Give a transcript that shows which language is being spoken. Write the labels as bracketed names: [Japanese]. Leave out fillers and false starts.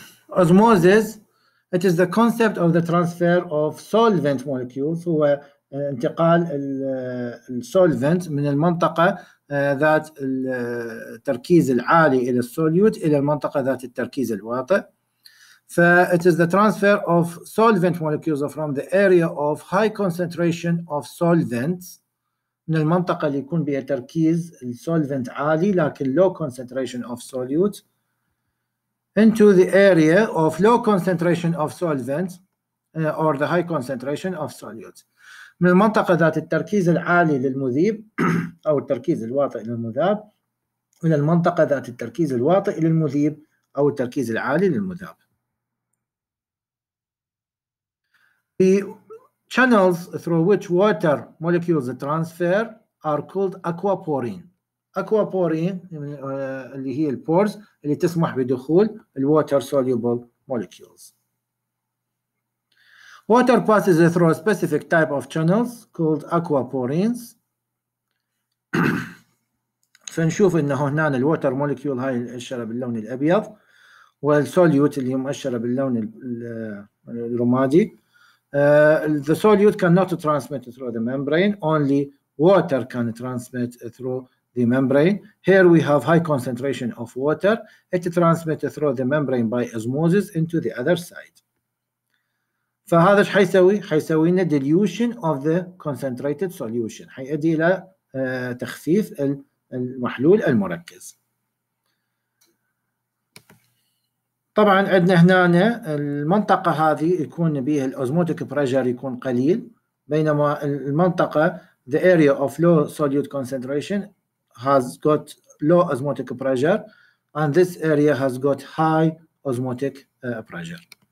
[English] Osmosis, it is the concept of the transfer of solvent molecules. [Arabic] هو انتقال السولفنت من المنطقة ذات التركيز العالي إلى السوليوت إلى المنطقة ذات التركيز الواطئ. [English] It is the transfer of solvent molecules from the area of high concentration of solvents. [Arabic] من المنطقة اللي يكون بها تركيز السولفنت عالي لكن [English] low concentration of solute into the area of low concentration of solvents or the high concentration of solutes. [Arabic] من المنطقة ذات التركيز العالي للمذيب أو التركيز الواطئ للمذاب إلى المنطقة ذات التركيز الواطئ للمذيب أو التركيز العالي للمذاب. [English] The channels through which water molecules transfer are called aquaporine. [Arabic] Aquaporin اللي هي البورز اللي تسمح بدخول ال [English] water soluble molecules. Water passes through a specific type of channels called aquaporins. [Arabic] فنشوف انه هنا ال [English] water molecule [Arabic] هاي المؤشرة باللون الابيض والsolute اللي مؤشرة باللون الرمادي. [English] The solute cannot transmit through the membrane, only water can transmit through the membrane. Here we have high concentration of water. It transmits through the membrane by osmosis into the other side. [Arabic] فهذا ايش حيسوي؟ حيسوي لنا [English] dilution of the concentrated solution. [Arabic] حيؤدي الى تخفيف المحلول المركز. طبعا عندنا هنا المنطقة هذه يكون بها الاوزموتيك بريشر يكون قليل، بينما المنطقة [English] the area of low solute concentration has got low osmotic pressure and this area has got high osmotic pressure.